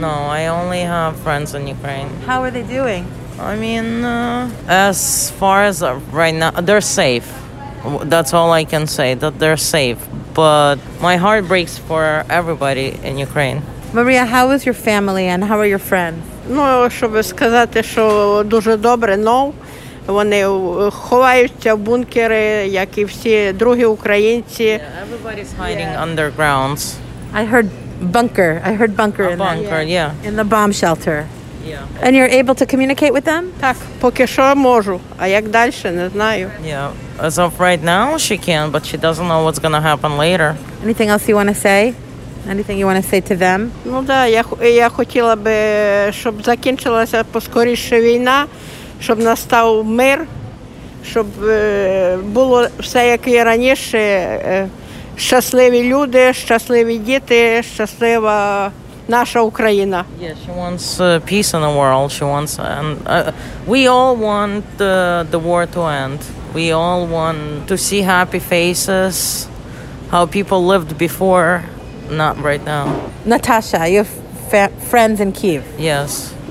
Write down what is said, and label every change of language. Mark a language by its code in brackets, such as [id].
[en] No, I only have friends in Ukraine. How are they doing? I mean, as far as right now, they're safe. That's all I can say, that they're safe. But my heart breaks for everybody in Ukraine. Maria, how is your family and how are your friends? [uk] Ну, щоб сказати, що дуже добре, но вони ховаються в бункери, як і всі другі українці. [en] Yeah, everybody's hiding underground. I heard bunker. A bunker, yeah. In the bomb shelter. Yeah. And you're able to communicate with them? [uk] Так, поки що можу, а як далі, не знаю. [en] Yeah, as of right now, she can, but she doesn't know what's going to happen later. Anything else you want to say? Anything you want to say to them? [uk] Ну да, я хотіла би, щоб закінчилася поскоріше війна, щоб настав мир, щоб було все, як і раніше, щасливі люди, щасливі діти, щаслива наша Україна. [en] Yeah, she wants peace in the world. She wants, and we all want the war to end. We all want to see happy faces, how people lived before, not right now. Natasha, you have friends in Kyiv. Yes.